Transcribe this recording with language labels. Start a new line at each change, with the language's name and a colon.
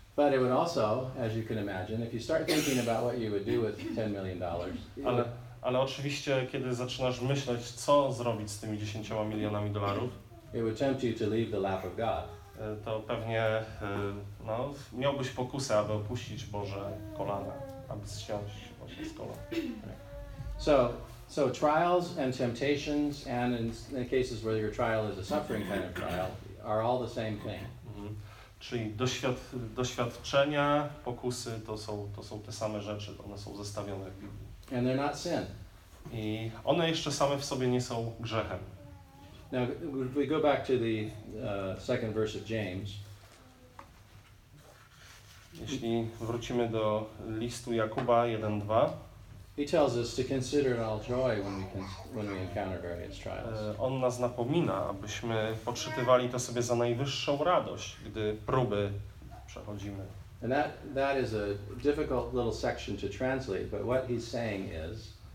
English: But it would also, as you can imagine, if you start thinking about what you would do with $10 million.
Polish: Ale oczywiście, kiedy zaczynasz myśleć, co zrobić z tymi 10 milionami dolarów,
English: it would tempt you to leave the lap of God.
Polish: To pewnie no, miałbyś pokusę, aby opuścić Boże kolana, aby zsiąść właśnie z kolan.
English: So trials and temptations, and in cases where your trial is a suffering kind of trial, are all the same thing.
Polish: Czyli doświadczenia, pokusy to są te same rzeczy, one są zestawione w Biblii.
English: And they're not sin.
Polish: I one jeszcze same w sobie nie są grzechem.
English: Now, if we go back to the second verse of James.
Polish: Jeśli wrócimy do listu Jakuba 1:2.
English: He tells us to consider it all joy when we encounter various trials.
Polish: On nas napomina, abyśmy poczytywali to sobie za najwyższą radość, gdy próby przechodzimy.
English: And that is a difficult little section to translate, but what he's saying is...